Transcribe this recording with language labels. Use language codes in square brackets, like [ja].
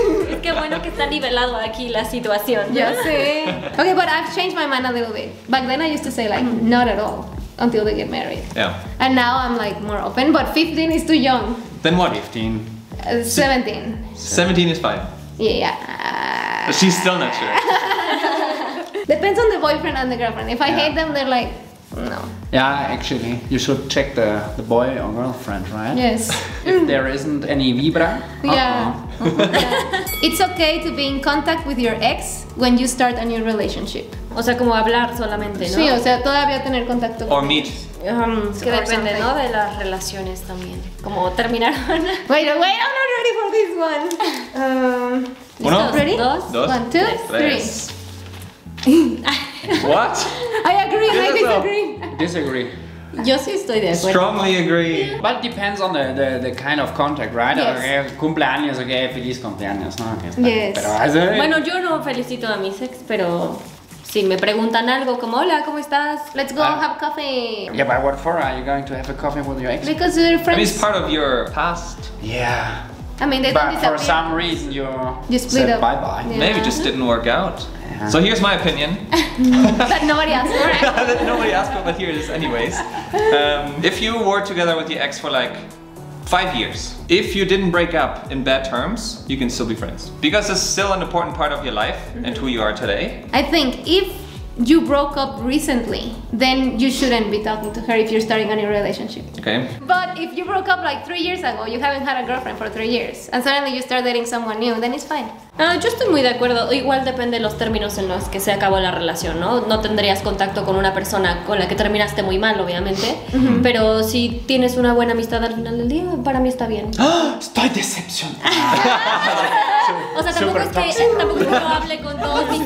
[es] Es que bueno que está nivelado aquí la situación. Yo sé. [en] Okay, but I've changed my mind a little bit. Back then I used to say like, not at all. Until they get married. Yeah. And now I'm like more open, but 15 is too young. Then what? 15. 17. 17 is fine. Yeah. But she's still not sure. Depends on the boyfriend and the girlfriend. If I hate them, they're like, no. Yeah, actually, you should check the boy or girlfriend, right? Yes. If there isn't any vibra. Yeah. It's okay to be in contact with your ex when you start a new relationship. [es] O sea, como hablar solamente, ¿no? Sí, o sea, todavía tener contacto. [en] Or meet. [es] Que depende, ¿no? De las relaciones también. Como terminaron. [en] Wait, I'm not ready for this one. [es] Uno, [en] ready? [es] Dos, [en] one, two, [es] tres. [en] What? I agree, I disagree. Disagree. [es] Yo sí estoy de acuerdo. [en] Strongly agree. But depends on the kind of contact, right? Yes. [es] Okay, cumpleaños, okay, feliz cumpleaños, ¿no? [en] Yes. [es] Pero, ¿sí? Bueno, yo no felicito a mis ex, pero si me preguntan algo como, hola, ¿cómo estás? [en] Let's go have coffee. Yeah, but what for? Are you going to have a coffee with your ex? Because we're friends. I mean, it's part of your past. Yeah. I mean, they but don't disappear. But for some reason, you split said up. Bye-bye. Yeah. Maybe it just didn't work out. So here's my opinion. That nobody asked for. That nobody asked for, but here it is anyways. If you were together with your ex for like 5 years, if you didn't break up in bad terms, you can still be friends. Because it's still an important part of your life and who you are today. I think if you broke up recently, then you shouldn't be talking to her if you're starting a new relationship. Okay. But if you broke up like 3 years ago, you haven't had a girlfriend for 3 years, and suddenly you start dating someone new, then it's fine. [es] Yo estoy muy de acuerdo. Igual depende de los términos en los que se acabó la relación, ¿no? No tendrías contacto con una persona con la que terminaste muy mal, obviamente. Pero si tienes una buena amistad al final del día, para mí está bien. ¡Estoy decepcionada! O sea, tampoco es que hable con todos mis